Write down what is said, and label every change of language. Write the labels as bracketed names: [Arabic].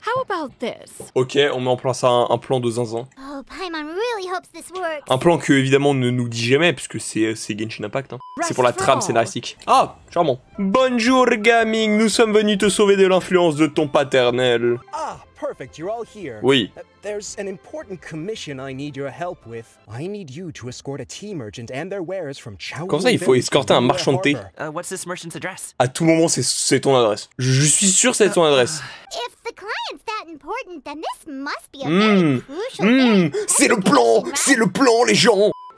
[English] How about this? [French] Ok, on met en place un plan de zinzin. [English] Oh, Paimon really hopes this works. [French] Un plan que, évidemment, ne nous dit jamais puisque c'est Genshin Impact. Hein. C'est pour la trame scénaristique. Ah, charmant. Bonjour, Gaming. Nous sommes venus te sauver de l'influence de ton paternel. [English] Ah, perfect. You're all here. [French] Oui. [English] There's an important commission I need your help with. I need you to escort a tea merchant and their wares from Chao. [French] Comment ça, il faut escorter un marchand de thé? [English] What's this merchant's address? [French] À tout moment, c'est ton adresse. Je suis sûr que c'est ton adresse. [English] If the client's that important, then this must be a very crucial thing. [French] C'est le plan, c'est le plan, les gens.